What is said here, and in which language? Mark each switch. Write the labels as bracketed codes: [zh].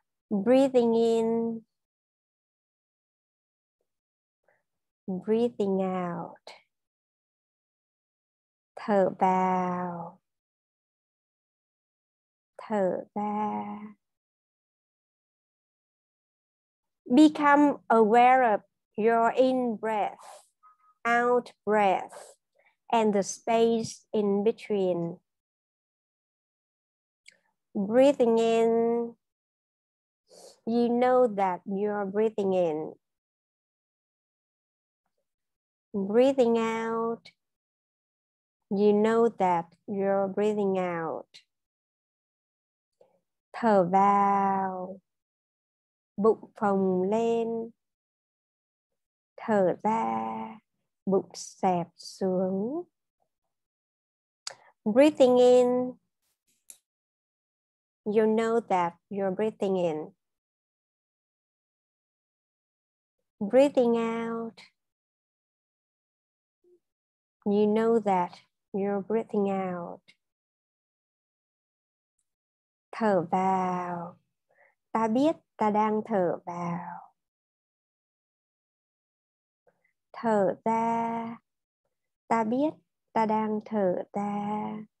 [en] Breathing in, breathing out, [vi] thở vào, thở ra. [en] Become aware of your in-breath, out-breath, and the space in between. Breathing in, you know that you are breathing in. Breathing out, you know that you're breathing out. [vi] Thở vào, bụng phồng lên. Thở ra, bụng xẹp xuống. [en] Breathing in, you know that you're breathing in. Breathing out, you know that you're breathing out. [vi] Thở vào, ta biết ta đang thở vào. Thở ra, ta biết ta đang thở ra.